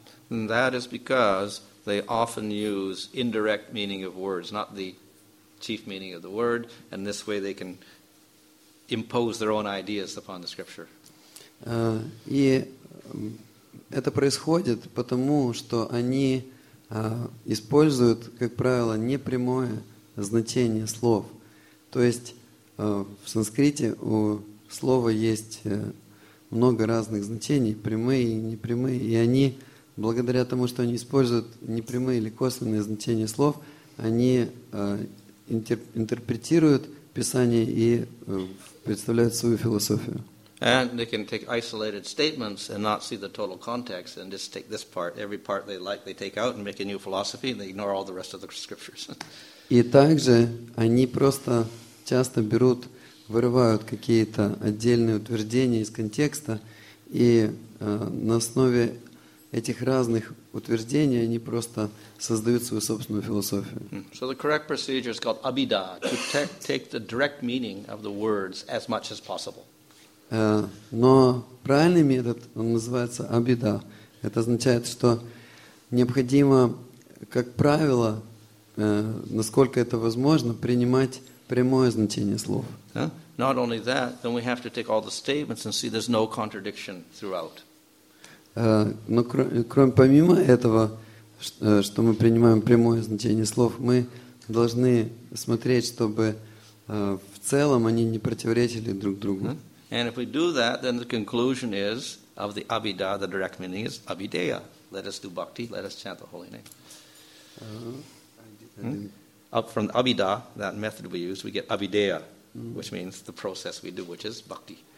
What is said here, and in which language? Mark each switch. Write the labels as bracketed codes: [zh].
[en] And that is because they often use indirect meaning of words, not the chief meaning of the word, and this way they can impose their own ideas upon the scripture. [ru] И это происходит потому, что они используют, как правило, непрямое значение слов. То есть в санскрите у слова есть много разных значений, прямые и непрямые, и они, благодаря тому, что они используют непрямые или косвенные значения слов, они интерпретируют Писание и представляют свою философию. [en] And they can take isolated statements and not see the total context and just take this part, every part they like, they take out and make a new philosophy and they ignore all the rest of the scriptures. [ru] И также они просто часто берут, вырывают какие-то отдельные утверждения из контекста и на основе этих разных утверждений они просто создают свою собственную философию. [en] So the correct procedure is called abhida, to take the direct meaning of the words as much as possible. [ru] Но правильный метод, он называется абхида. Это означает, что необходимо, как правило, насколько это возможно, принимать прямое значение слов. [en] Not only that, then we have to take all the statements and see there's no contradiction throughout. [ru] Но кроме помимо этого, что мы принимаем прямое значение слов, мы должны смотреть, чтобы в целом они не противоречили друг другу. [en] And if we do that, then the conclusion is of the Abhida, the direct meaning is Abhideya. Let us do bhakti, let us chant the holy name. Up from Abhida, that method we use, we get Abhideya, which means the process we do, which is bhakti.